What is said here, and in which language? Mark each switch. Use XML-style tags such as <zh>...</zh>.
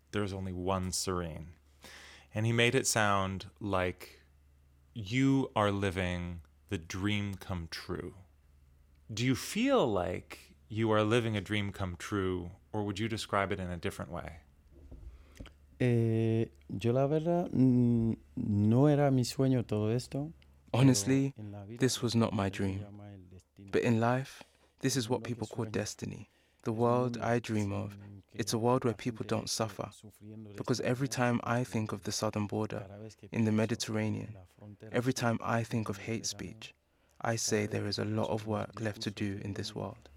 <en>There's only one Serene. And he made it sound like you are living the dream come true. Do you feel like you are living a dream come true, or would you describe it in a different way?</en> <es>Yo la verdad, no era mi sueño todo esto.</es> <en>Honestly, this was not my dream. But in life, this is what people call destiny. The world I dream of, it's a world where people don't suffer. Because every time I think of the southern border, in the Mediterranean, every time I think of hate speech, I say there is a lot of work left to do in this world.</en>